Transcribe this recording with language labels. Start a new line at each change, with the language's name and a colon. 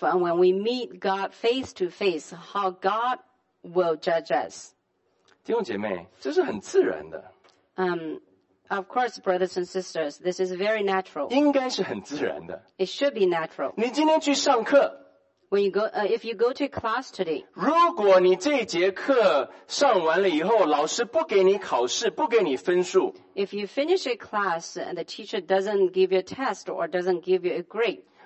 English: And when we meet God face to face, how God will judge us.
Chinese: 弟兄姐妹，这是很自然的。
English: Of course, brothers and sisters, this is very natural.
Chinese: 应该是很自然的。
English: It should be natural.
Chinese: 你今天去上课。
English: When you go, if you go to class today.
Chinese: 如果你这节课上完了以后，老师不给你考试，不给你分数。
English: If you finish a class and the teacher doesn't give you a test or doesn't give you a grade.